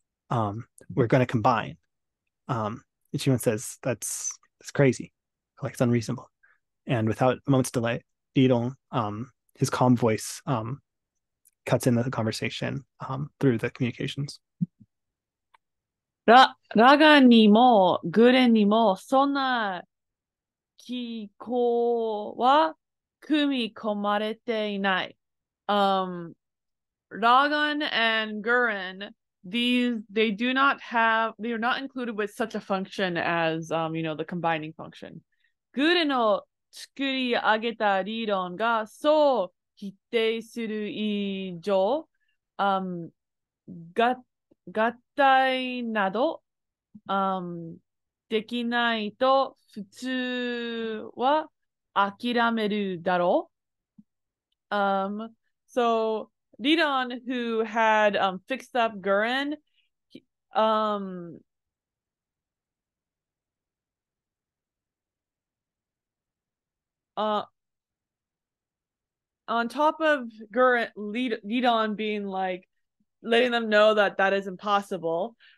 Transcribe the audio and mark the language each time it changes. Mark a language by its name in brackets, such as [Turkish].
[English] We're gonna combine. And Shimon says, that's crazy. Like it's unreasonable. And without a moment's delay, Beetle, his calm voice, cuts into the conversation, through the communications. [Japanese] ラガンにもグレンにもそんな機構は組み込まれていない。 [English] ラガン and グレン、they do not have, they are not included with such a function as, the combining function. [Japanese] グレンの作り上げた理論がそう否定する以上、合体など、できないと普通は諦めるだろう。 [English] So, Lidon, who had fixed up Gurren, on top of Gurren, Lidon being like, letting them know that that is impossible.